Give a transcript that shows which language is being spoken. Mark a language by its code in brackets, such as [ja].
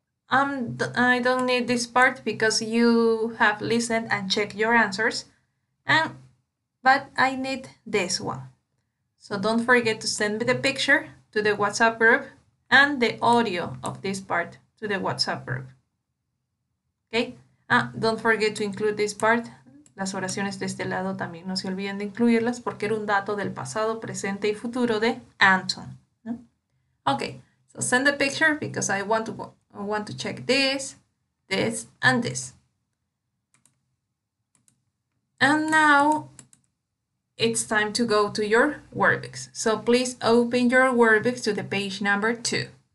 [en] I don't need this part because you have listened and checked your answers. But I need this one. So don't forget to send me the picture to the WhatsApp group and the audio of this part to the WhatsApp group. Okay? Don't forget to include this part. [es] Las oraciones de este lado también no se olviden de incluirlas porque era un dato del pasado, presente y futuro de Anton. [en] Okay, so send the picture because I want to check this, this, and this. And now it's time to go to your workbooks. So please open your workbooks to the page number 2.